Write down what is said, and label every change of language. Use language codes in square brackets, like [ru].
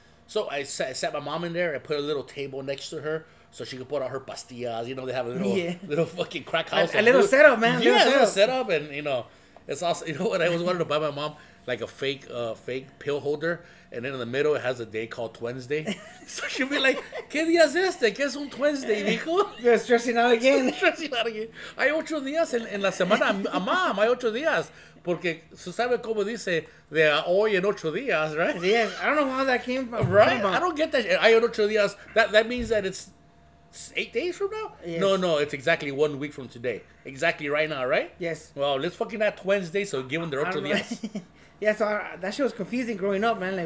[en] So I sat my mom in there. I put a little table next to her so she could put all her pastillas. You know, they have a little fucking crack house. A little setup, man. Yeah, a little setup. And, you know, It's awesome. You know what? I always wanted to buy my mom like a fake pill holder, and then in the middle it has a day called Wednesday. So she'll be like, [es] ¿Qué día es este? ¿Qué es un Wednesday, mijo? [en] You're stressing out again. [es] Hay 8 días en la semana. Mom, hay 8 días. Porque se sabe como dice, de hoy en 8 días, [en] right? Yes, I don't know how that came from. Right? I don't get that. [es] Hay 8 días. [en] That means that it's 8 days from now? Yes. No, it's exactly 1 week from today. Exactly right now, right? Yes. Well, let's fucking add Wednesday, so give them their [es] 8 días. [en] Yeah, so that shit was confusing growing up, man.